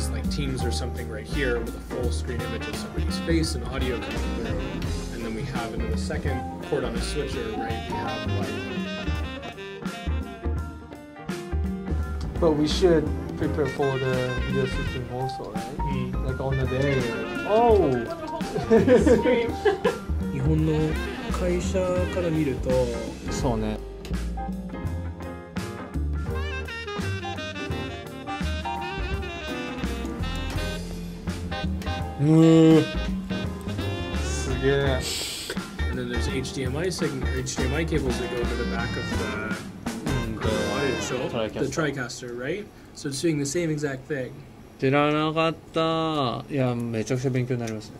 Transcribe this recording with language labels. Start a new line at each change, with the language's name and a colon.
English: Teams or something right here with a full screen image of somebody's face and audio coming through. And then we have into the second port on a switcher, right? We have like. But we should prepare for the video system also, right? Mm-hmm. Like on the day. Oh!
Japanese: 日本の会社から見ると。そうね。すげえ。
English: And then there's HDMI signal, HDMI cables that go to the back of the tricaster, right? So it's doing the same exact thing.
Japanese: 知らなかった。いや、めちゃくちゃ勉強になりますね。